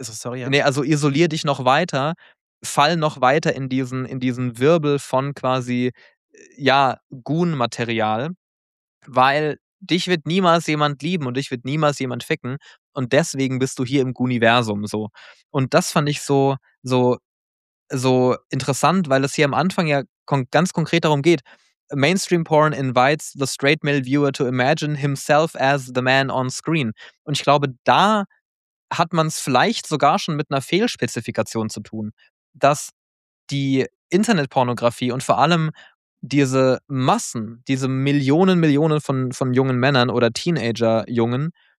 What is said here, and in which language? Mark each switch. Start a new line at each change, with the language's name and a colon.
German: Nee, also isolier dich noch weiter, fall noch weiter in diesen Wirbel von quasi, ja, Goon-Material, weil dich wird niemals jemand lieben und dich wird niemals jemand ficken und deswegen bist du hier im Gooniversum so. Und das fand ich so interessant, weil es hier am Anfang ja ganz konkret darum geht.
English: Mainstream Porn invites the straight male viewer to imagine himself as the man on screen.
German: Und ich glaube, da hat man es vielleicht sogar schon mit einer Fehlspezifikation zu tun, dass die Internetpornografie und vor allem diese Massen, diese Millionen von jungen Männern oder Teenager-Jungen,